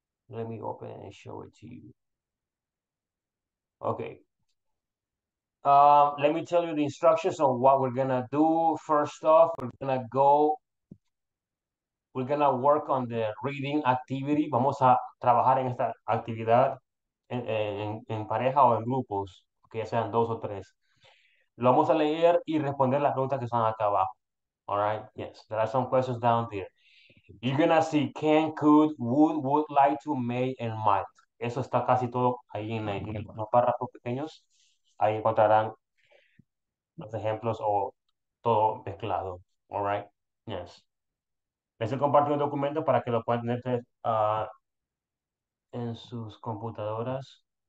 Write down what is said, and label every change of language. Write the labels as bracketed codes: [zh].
[en] Let me open and show it to you. Okay. Let me tell you the instructions on what we're gonna do. First off, we're gonna work on the reading activity. [es] Vamos a trabajar en esta actividad en pareja o en grupos, que sean dos o tres. Lo vamos a leer y responder las preguntas que están acá abajo. [en] All right, yes, there are some questions down there. You're gonna see can, could, would like to, may, and might. [es] Eso está casi todo ahí en los párrafos pequeños. Ahí encontrarán los ejemplos o todo mezclado. [en] All right, yes. [es] Les estoy compartiendo un documento para que lo puedan tener en sus computadoras.